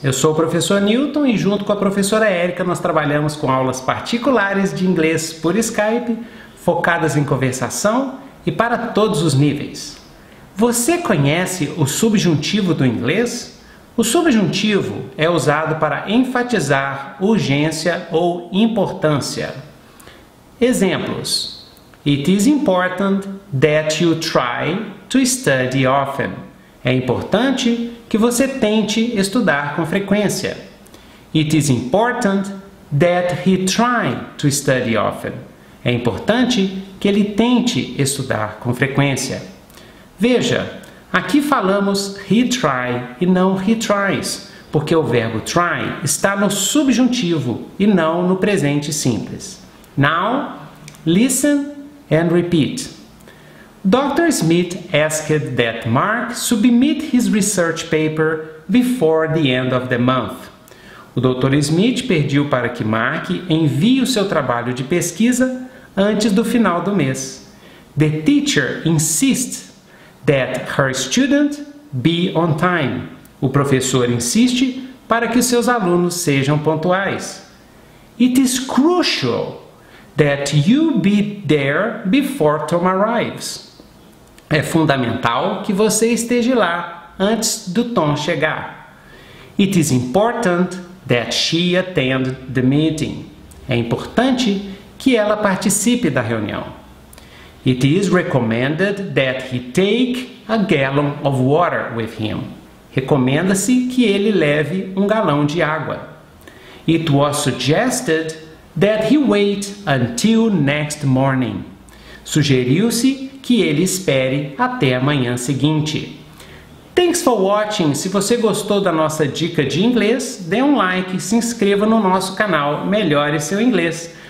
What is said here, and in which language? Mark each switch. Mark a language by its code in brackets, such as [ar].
[pt] Eu sou o professor Newton e junto com a professora Érica nós trabalhamos com aulas particulares de inglês por Skype, focadas em conversação e para todos os níveis. Você conhece o subjuntivo do inglês? O subjuntivo é usado para enfatizar urgência ou importância. [en] Exemplos: It is important that you try to study often. [pt] É importante que você tente estudar com frequência. [en] It is important that he try to study often. [pt] É importante que ele tente estudar com frequência. Veja, aqui falamos he try e não he tries, porque o verbo try está no subjuntivo e não no presente simples. [en] Now, listen and repeat. Dr. Smith asked that Mark submit his research paper before the end of the month. [pt] O Dr. Smith pediu para que Mark envie o seu trabalho de pesquisa antes do final do mês. [en] The teacher insists that her student be on time. [pt] O professor insiste para que seus alunos sejam pontuais. [en] It is crucial that you be there before Tom arrives. [pt] É fundamental que você esteja lá antes do Tom chegar. [en] It is important that she attend the meeting. [pt] É importante que ela participe da reunião. [en] It is recommended that he take a gallon of water with him. [pt] Recomenda-se que ele leve um galão de água. [en] It was suggested that he wait until next morning. [pt] Sugeriu-se que ele espere até amanhã seguinte. [en] Thanks for watching. [pt] Se você gostou da nossa dica de inglês, dê um like e se inscreva no nosso canal Melhore Seu Inglês.